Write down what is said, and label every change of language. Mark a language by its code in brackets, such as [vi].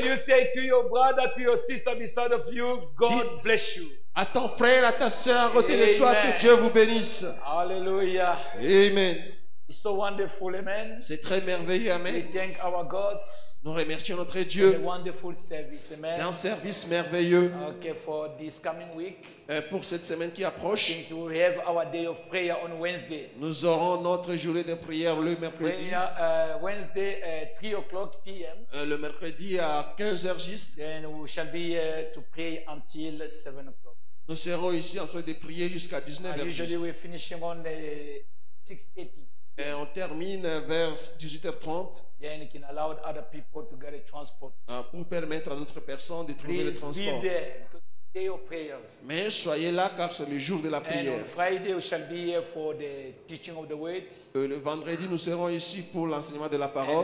[en] Can you say to your brother, to your sister beside of you, God bless you. [fr] À ton frère, à ta sœur, à côté de toi, que Dieu vous bénisse. Alléluia. Amen. [en] It's so wonderful, amen. [fr] C'est très merveilleux, amen. [en] We thank our God. [fr] Nous remercions notre Dieu. [en] A wonderful service, amen. [fr] D'un service merveilleux. [en] Okay, for this coming week. [fr] Pour cette semaine qui approche. [en] Since we have our day of prayer on Wednesday. [fr] Nous aurons notre journée de prière le mercredi. [en] Prayer, Wednesday, 3:00 p.m. [fr] Le mercredi à 15h juste. [en] Then we shall be to pray until 7:00. [fr] Nous serons ici en train de prier jusqu'à 19h juste. [en] Usually we finish on 6:30. [fr] Et on termine vers 18h30 pour permettre à d'autres personnes de trouver le transport. [en] Be there, your prayers. [fr] Mais soyez là car c'est le jour de la prière. [en] And Friday we shall be here for the teaching of the word. [fr] Et le vendredi nous serons ici pour l'enseignement de la parole.